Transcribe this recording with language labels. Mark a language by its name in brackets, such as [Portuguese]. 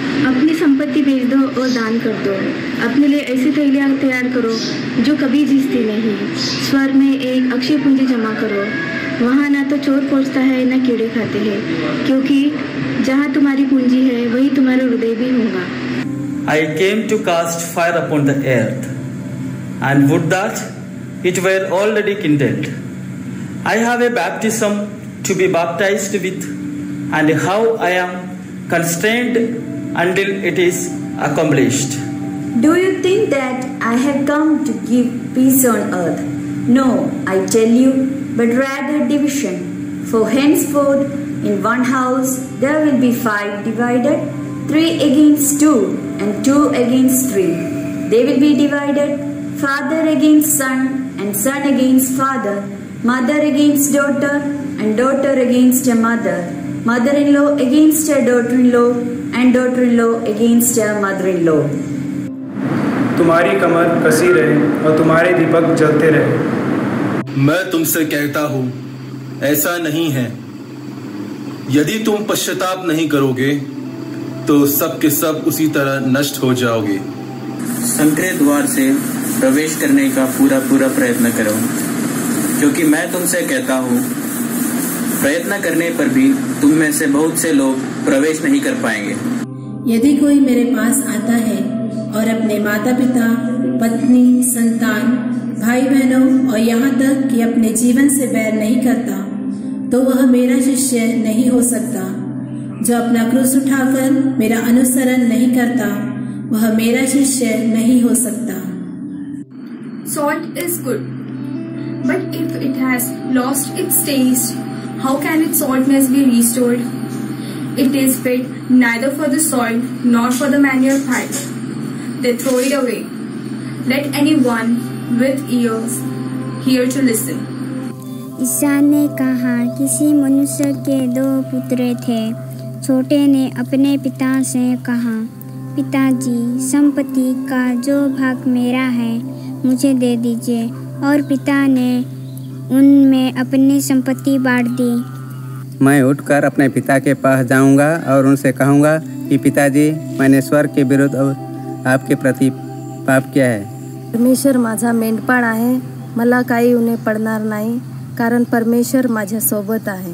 [Hindi] अपनी संपत्ति बेच दो और दान कर दो। अपने लिए ऐसी थैलियां तैयार करो जो कभी जीतती नहीं। स्वर्ग में एक अक्षय पूंजी जमा करो, वहाँ ना तो चोर पहुँचता है ना कीड़े खाते हैं, क्योंकि जहाँ तुम्हारी पूंजी है वही तुम्हारा हृदय भी होगा। [English] I came to cast fire upon the earth, and would that it were already kindled. I have a baptism to be baptized with, and how I am constrained until it is accomplished. Do you think that I have come to give peace on earth? No, I tell you, but rather division. For henceforth, in one house there will be five divided, three against two, and two against three. They will be divided, father against son, and son against father, mother against daughter, and daughter against her mother, mother-in-law against her daughter-in-law, and daughter-in-law against her mother-in-law. [Hindi] तुम्हारी कमर कसी रहे और तुम्हारे दीपक जलते रहे। मैं तुमसे कहता हूँ, ऐसा नहीं है। यदि तुम पश्चाताप नहीं करोगे तो सब के सब उसी तरह नष्ट हो जाओगे। संकरे द्वार से प्रवेश करने का पूरा पूरा प्रयत्न करो, क्योंकि मैं तुमसे कहता हूँ, प्रयत्न करने पर भी तुम में से बहुत से लोग प्रवेश नहीं कर पाएंगे। यदि कोई मेरे पास आता है और अपने माता पिता, पत्नी, संतान, भाई बहनों और यहाँ तक कि अपने जीवन से बैर नहीं करता, तो वह मेरा शिष्य नहीं हो सकता। जो अपना क्रूस उठाकर मेरा अनुसरण नहीं करता, वह मेरा शिष्य नहीं हो सकता। [English] Salt is good, but if it has lost its taste, how can its saltness be restored? It is fit neither for the soil nor for the manure pile. They throw it away. Let anyone with ears hear to listen. [Hindi] ईसा ने कहा, किसी मनुष्य के दो पुत्र थे। छोटे ने अपने पिता से कहा, पिताजी, संपत्ति का जो भाग मेरा है मुझे दे दीजिए। और पिता ने उनमें अपनी संपत्ति बांट दी। मैं उठकर अपने पिता के पास जाऊंगा और उनसे कहूंगा कि पिताजी, मैंने स्वर्ग के विरुद्ध आपके प्रति पाप किया है। [Marathi] परमेश्वर माझा मेंढपाळ आहे, मला काही उन्हें पडणार नाही, कारण परमेश्वर माझ्या सोबत आहे।